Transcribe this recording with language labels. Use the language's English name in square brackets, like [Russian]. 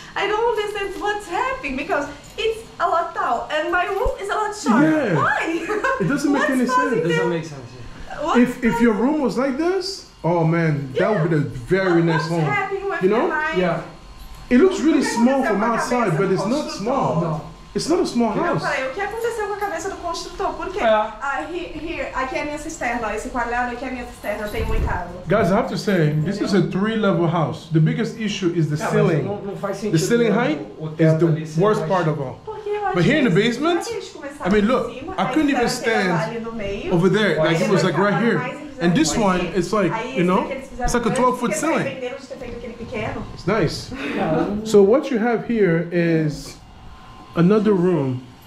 [English] I don't understand what's happening because it's a lot tall and my room is a lot shorter. Yeah. Why? It doesn't make any sense. It doesn't make sense. What's if your room was like this, oh man, that would be a very nice home. You know? Yeah. It looks really small from outside, but it's not small. No. It's not a small house. [Portuguese] Não, peraí, o que aconteceu com a cabeça do construtor? Por quê? Aqui é a minha cisterna, esse quadrado aqui é a minha cisterna, tem um oitavo. [English] Guys, I have to say, this is a three-level house. The biggest issue is the ceiling. [Portuguese] Não faz sentido. [English] The ceiling height is the worst part of all. But here in the basement, I mean, look, I couldn't even stand over there. Like, it was like right here. And this one, it's like, you know, it's like a 12-foot ceiling. It's nice. So what you have here is another room.